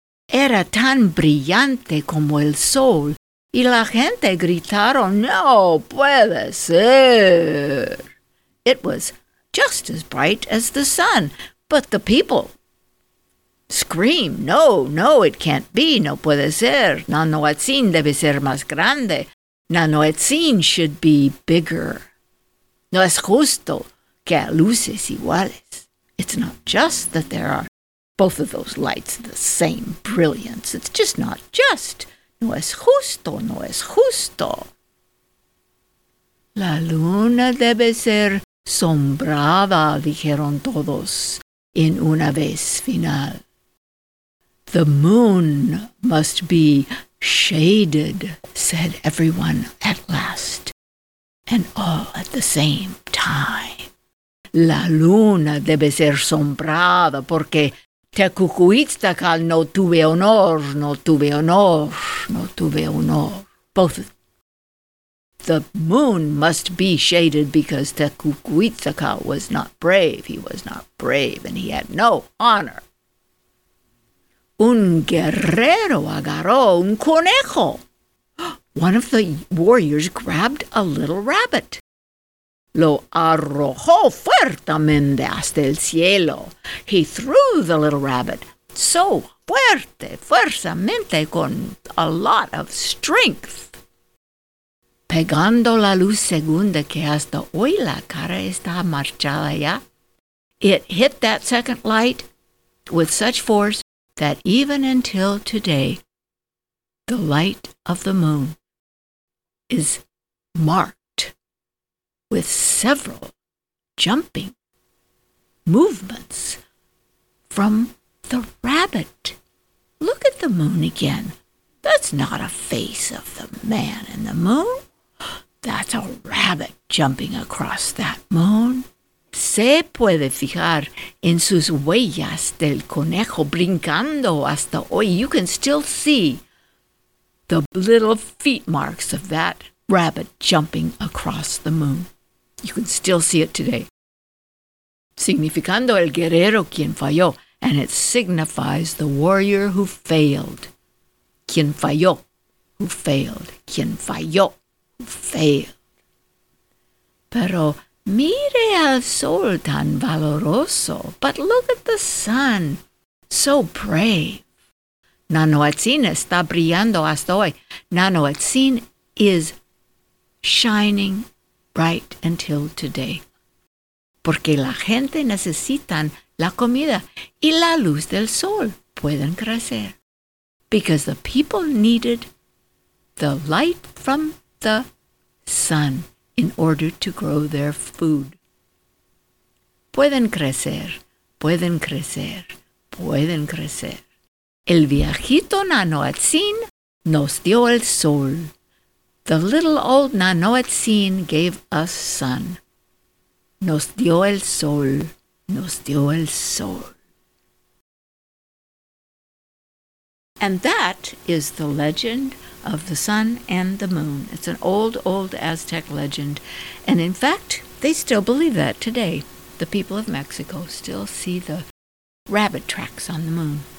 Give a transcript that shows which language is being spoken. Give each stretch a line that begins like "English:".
Spanish: Era tan brillante como el sol, y la gente gritaron, "No puede ser."
English: It was just as bright as the sun, but the people screamed, "No, no, it can't be,
Spanish: no puede ser, Nanoetzin debe ser más grande,
English: Nanoetzin should be bigger.
Spanish: No es justo que luces iguales."
English: It's not just that there are both of those lights the same brilliance. It's just not just.
Spanish: No es justo, no es justo. La luna debe ser sombrada, dijeron todos en una vez final.
English: The moon must be shaded, said everyone at last. And all at the same time.
Spanish: La luna debe ser sombrada porque Tecucuitzacal no tuve honor, no tuve honor, no tuve honor. Both.
English: The moon must be shaded because Tecucuitzacal was not brave. He was not brave and he had no honor.
Spanish: Un guerrero agarró un conejo.
English: One of the warriors grabbed a little rabbit.
Spanish: Lo arrojó fuertemente hasta el cielo.
English: He threw the little rabbit so
Spanish: fuerte, fuerzamente, con
English: a lot of strength.
Spanish: Pegando la luz segunda que hasta hoy la cara está marchada ya.
English: It hit that second light with such force that even until today, the light of the moon is marked with several jumping movements from the rabbit. Look at the moon again. That's not a face of the man in the moon. That's a rabbit jumping across that moon.
Spanish: Se puede fijar en sus huellas del conejo brincando hasta hoy.
English: You can still see the little feet marks of that rabbit jumping across the moon. You can still see it today.
Spanish: Significando el guerrero quien falló,
English: and it signifies the warrior who failed.
Spanish: Quien falló,
English: who failed.
Spanish: Quien falló, who failed. Pero mire al sol tan valoroso.
English: But look at the sun, so brave.
Spanish: Nanoetzin está brillando hasta hoy.
English: Nanoetzin is shining bright until today.
Spanish: Porque la gente necesitan la comida y la luz del sol pueden crecer.
English: Because the people needed the light from the sun in order to grow their food.
Spanish: Pueden crecer pueden crecer, pueden crecer. El viejito Nanoatzin nos dio el sol.
English: The little old Nanoatzin gave us sun.
Spanish: Nos dio el sol, nos dio el sol.
English: And that is the legend of the sun and the moon. It's an old, old Aztec legend. And in fact, they still believe that today. The people of Mexico still see the rabbit tracks on the moon.